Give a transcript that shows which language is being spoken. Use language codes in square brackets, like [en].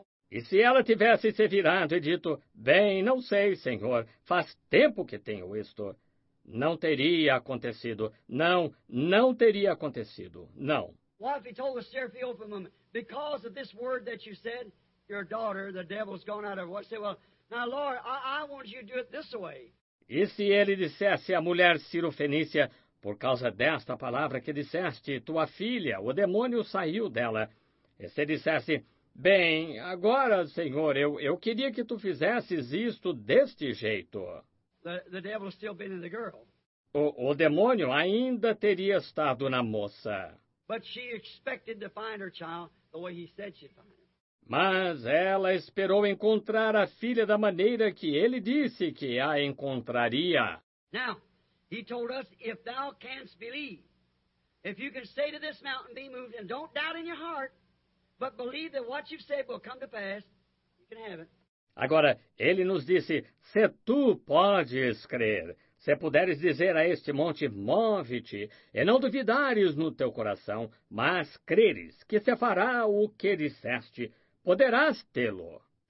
[pt] E se ela tivesse se virado e dito, bem, não sei, Senhor, faz tempo que tenho isto. Não teria acontecido. Não, não teria acontecido. Não. [en] Why if he told the Seraphim open them, because of this word that you said, your daughter, the devil's gone out of her. Say, well, now, Lord, I want you to do it this way. [pt] E se ele dissesse à mulher sirofenícia, por causa desta palavra que disseste, tua filha, o demônio saiu dela. E se dissesse, bem, agora, Senhor, eu queria que tu fizesses isto deste jeito. [en] The devil's still been in the girl. [pt] O demônio ainda teria estado na moça. [en] But she expected to find her child the way he said she'd find. [pt] Mas ela esperou encontrar a filha da maneira que ele disse que a encontraria. [en] Now, he told us, if thou canst believe, if you can say to this mountain, be moved, and don't doubt in your heart, but believe that what you've said will come to pass, you can have it. [pt] Agora, ele nos disse, se tu podes crer, se puderes dizer a este monte, move-te, e não duvidares no teu coração, mas creres que se fará o que disseste, poderás tê-lo.